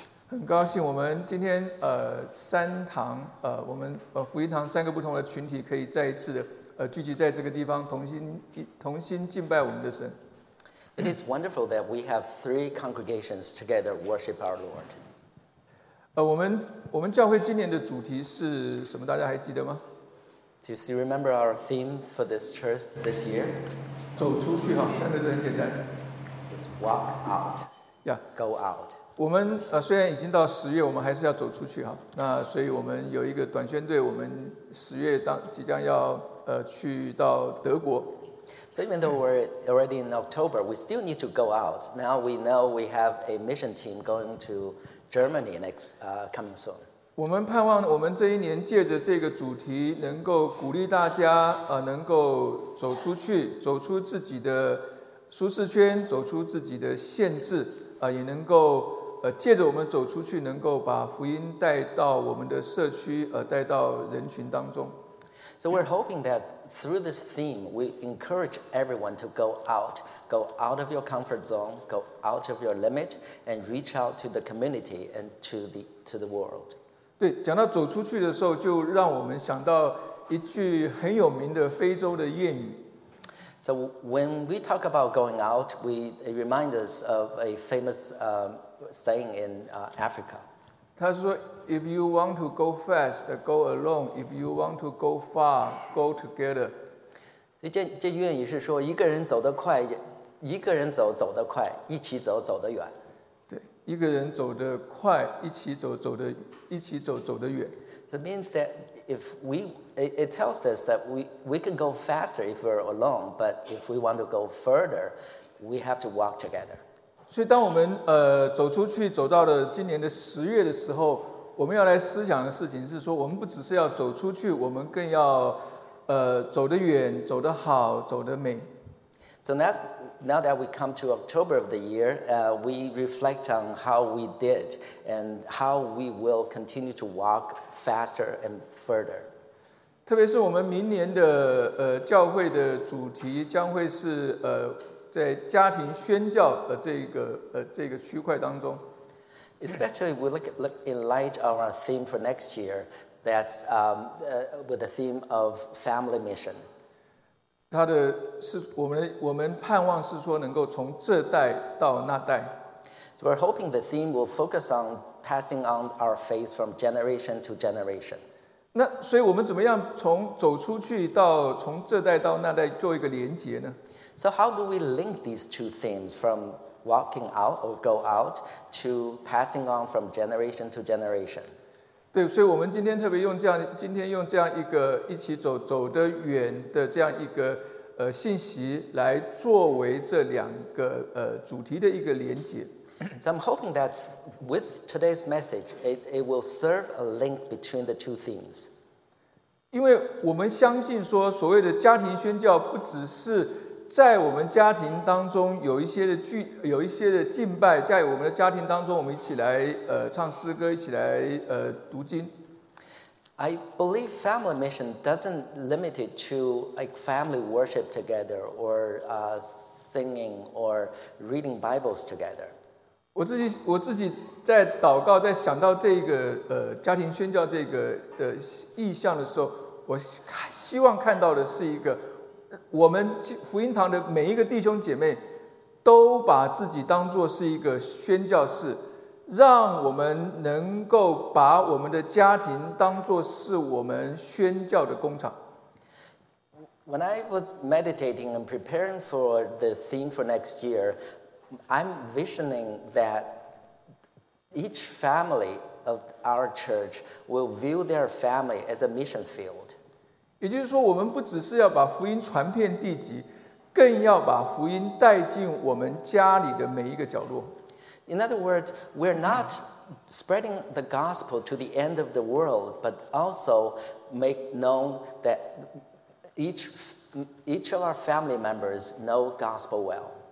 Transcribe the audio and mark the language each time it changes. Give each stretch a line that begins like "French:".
Chinese: 很高兴我们今天三堂我们福音堂三个不同的群体可以再一次的聚集在这个地方同心敬拜我们的神。
English: It is wonderful that we have three congregations together worship our Lord.
Chinese: 我们教会今年的主题是什么？大家还记得吗
English: ？Do you remember our theme for this church this year?
Chinese: 走出去哈，三个字很简单。
English: It's walk out. Yeah, go out.
Chinese: 我们虽然已经到十月，我们还是要走出去哈。那所以我们有一个短宣队，我们十月即将要去到德国。
English: So even though we're already in October, we still need to go out. Now we know we have a mission team going to Germany next coming soon.
Chinese: 我们盼望我们这一年借着这个主题，能够鼓励大家能够走出去，走出自己的舒适圈，走出自己的限制也能够。借着我们走出去，能够把福音带到我们的社区，带到人群当中。
English: So we're hoping that through this theme, we encourage everyone to go out of your comfort zone, go out of your limit, and reach out to the community and to the world.
Chinese: 对，讲到走出去的时候，就让我们想到一句很有名的非洲的谚语。
English: So when we talk about going out, it reminds us of a famous saying in Africa.
Chinese: 他说
English: if you want to go fast, go alone. If you want to go far, go together.
Chinese: 这谚语是说一个人走得快，一个人走得快，一起走走得远。对，一个人走得快，一起走得远。
English: So it means that it tells us that we can go faster if we're alone, but if we want to go further, we have to walk together.
Chinese: 所以当我们走出去走到了今年的十月的时候，我们要来思想的事情是说，我们不只是要走出去，我们更要走得远，走得好，走得美。
English: So now that we come to October of the year, we reflect on how we did and how we will continue to walk faster and further.
Chinese: 特别是我们明年的教会的主题将会是在家庭宣教的这个区块当中。
English: Especially we look in light of our theme for next year, that's with the theme of family mission.
Chinese: 他的是我们盼望是说能够从这代到那代。
English: So we're hoping the theme will focus on passing on our faith from generation to generation.
Chinese: 那所以我们怎么样从走出去到从这代到那代做一个连结呢
English: ？So how do we link these two themes from walking out or go out to passing on from generation to generation？
Chinese: 对，所以我们今天特别用这样，今天用这样一个一起走得远的这样一个信息来作为这两个主题的一个连结。
English: So I'm hoping that with today's message, it will serve a link between the two themes.
Chinese: 因为我们相信说，所谓的家庭宣教不只是在我们家庭当中有一些的敬拜，在我们的家庭当中，我们一起来唱诗歌，一起来读经。
English: I believe family mission doesn't limit it to like family worship together or singing or reading Bibles together.
Chinese: 我自己在祷告，在想到这个家庭宣教这个的意向的时候，我希望看到的是一个。我们福音堂的每一个弟兄姐妹都把自己当作是一个宣教士，让我们能够把我们的家庭当作是我们宣教的工厂。
English: When I was meditating and preparing for the theme for next year, I'm visioning that each family of our church will view their family as a mission field.
Chinese: 也就是说，我们不只是要把福音传遍地极，更要把福音带进我们家里的每一个角落。
English: In other words, we're not spreading the gospel to the end of the world, but also make known that each each of our family members know gospel well.